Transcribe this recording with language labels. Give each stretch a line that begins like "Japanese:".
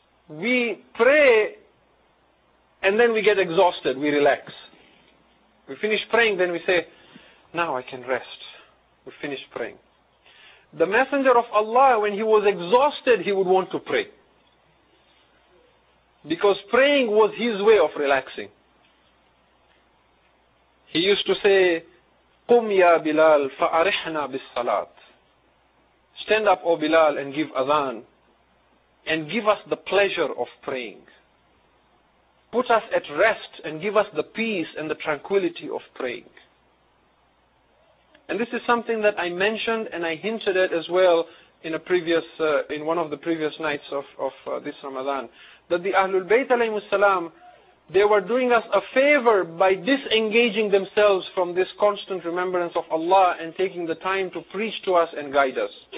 English: We pray and then we get exhausted, we relax. We finish praying, then we say, now I can rest. We finish praying. The Messenger of Allah, when he was exhausted, he would want to pray. Because praying was his way of relaxing. He used to say,
Arabic: قُمْ يَا بِلَال فَأَرِحْنَا بِالصَّلَاةِ.
English: Stand up, O Bilal, and give adhan, and give us the pleasure of praying. Put us at rest and give us the peace and the tranquility of praying. And this is something that I mentioned and I hinted at as well in one of the previous nights of this Ramadan, that the Ahlul Bayt alayhi salam, they were doing us a favor by disengaging themselves from this constant remembrance of Allah and taking the time to preach to us and guide us.